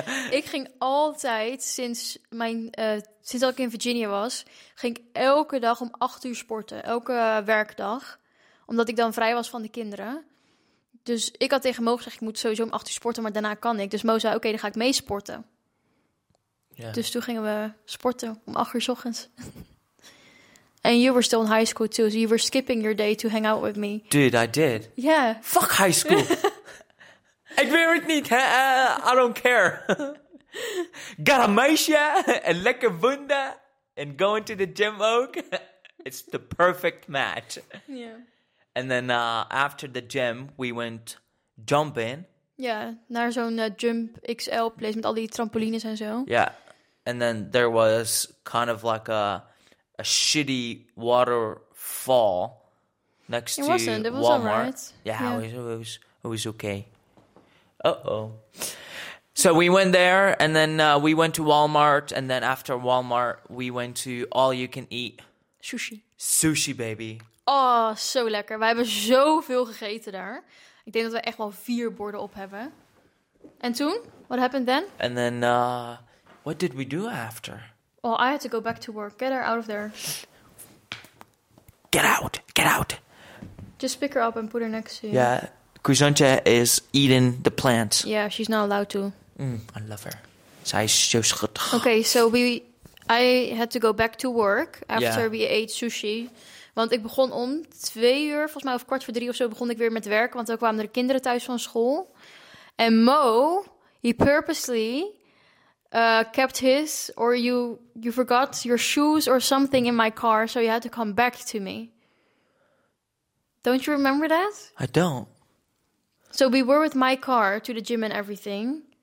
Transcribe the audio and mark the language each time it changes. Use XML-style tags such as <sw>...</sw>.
<nl>Ik ging altijd, sinds dat ik in Virginia was, ging ik elke dag om 8 uur sporten. Elke werkdag. Omdat ik dan vrij was van de kinderen. Dus ik had tegen Mo gezegd, ik moet sowieso om 8 uur sporten, maar daarna kan ik. Dus Mo zei, oké, dan ga ik mee sporten.</nl> <en>Yeah.</en> <nl>Dus toen gingen we sporten om 8 uur 's ochtends.</nl> <en>And you were still in high school too, so you were skipping your day to hang out with me. Dude, I did. Yeah. Fuck high school.</en> <nl>Ik weet het niet, hè?</nl> <en>I don't care. Got a meisje,</en> <nl>een lekker wunde,</nl> <en>and going to the gym ook. It's the perfect match. Yeah. And then after the gym, we went jumping.</en> <nl>Yeah, naar zo'n jump XL place met al die trampolines en zo.</nl> <en>Yeah. And then there was kind of like a shitty waterfall next to Walmart. It wasn't, it was alright. Yeah, yeah. It was okay. Uh-oh. So we went there, and then we went to Walmart, and then after Walmart, we went to All You Can Eat. Sushi. Sushi, baby.</en> <nl>Oh, zo lekker. We hebben zoveel gegeten daar. Ik denk dat we echt wel 4 borden op hebben. En toen?</nl> <en>What happened then? And then, what did we do after? Well, I had to go back to work. Get her out of there. Get out. Get out. Just pick her up and put her next to you. Yeah. Cousantje is eating the plants. Yeah, she's not allowed to. I love her.</en> <nl>Zij is zo schattig.</nl> <en>Okay, so I had to go back to work after yeah. we ate sushi.</en> <nl>Want ik begon om 2 uur, volgens mij of 2:45 of zo, begon ik weer met werken. Want dan kwamen er kinderen thuis van school.</nl> <en>En Mo, he purposely kept his, or you forgot your shoes or something in my car. So you had to come back to me. Don't you remember that? I don't. So we were with my car to the gym and everything.</en>